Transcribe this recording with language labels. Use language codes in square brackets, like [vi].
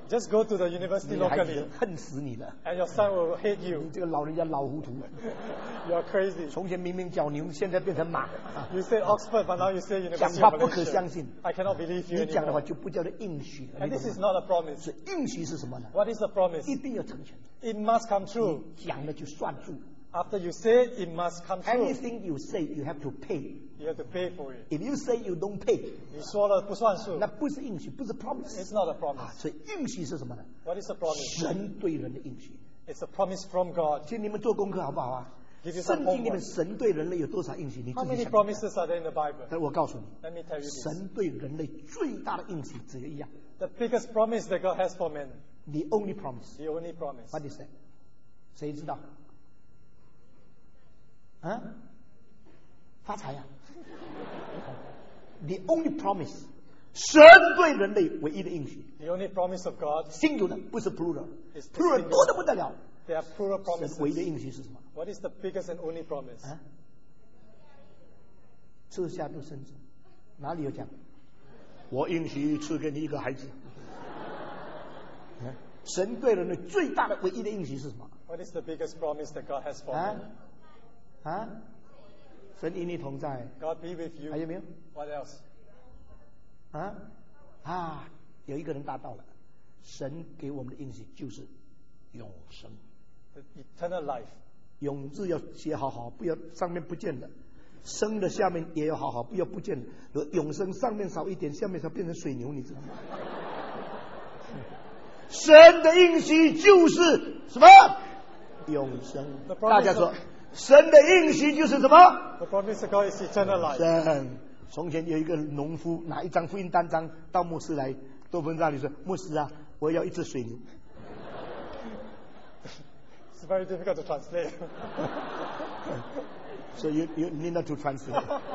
[en] Just go to the university locally. [zh] 你还恨死你了。 [en] And your son will hate you. [zh] 你这个老人家老糊涂。 [en] You're crazy. [zh] 从前明明叫牛，现在变成马。 [en] You say Oxford, but now you say University of Malaysia. [zh] 讲话不可相信。 [en] I cannot believe you. [zh] 你讲的话就不叫做应许。 [en] And this is not a promise. [zh] 是应许是什么呢？ [en] What is the promise? [zh] 一定要成全。 [en] It must come true. [zh] 你讲了就算数。 [en] After you say it, it must come true. Anything you say, you have to pay. You have to pay for it. If you say you don't pay, [zh] 你说了不算数，那不是应许，不是 [en] promise. It's not a promise. [zh] 所以应许是什么呢？ [en] What is the promise? [zh] 神对人的应许。 [en] It's a promise from God. [zh] 请你们做功课好不好啊？圣经里面神对人类有多少应许？你自己想一下。 [en] How many promises are there in the Bible? [zh] 但我告诉你， [en] Let me tell you this. 神对人类最大的应许只有一样。 The biggest promise that God has for men. The only promise. The only promise. What is that? [zh] 谁知道？啊、发财啊 [en] The only promise [zh] 神对人类唯一的应许 [en] The only promise of God Singular [zh] 不是 [en] plural is Plural [zh] 多得不得了 [en] There are plural promises [zh] 神唯一的应许是什么 [en] What is the biggest and only promise [zh] 赐、啊、下独生子哪里有讲我应许赐给你一个孩子、啊、神对人类最大的唯一的应许是什么 [en] What is the biggest promise that God has for me、 [zh] 啊啊、神与你同在 [en] God be with you [zh] 还有没有 [en] What else [zh] 啊, 啊有一个人答到了神给我们的应许就是永生 [en] The eternal life [zh] 永字要写好好不要上面不见了生的下面也要好好不要不见了永生上面少一点下面才变成水牛你知道吗神的应许就是什么永生。大家说，神的应许就是什么 [en] ？The promise of God is eternal life. [zh] 神，从前有一个农夫拿一张福音单张到牧师来，多芬那里说，牧师啊，我要一只水牛。 [en] It's very difficult to translate. So you need not to translate.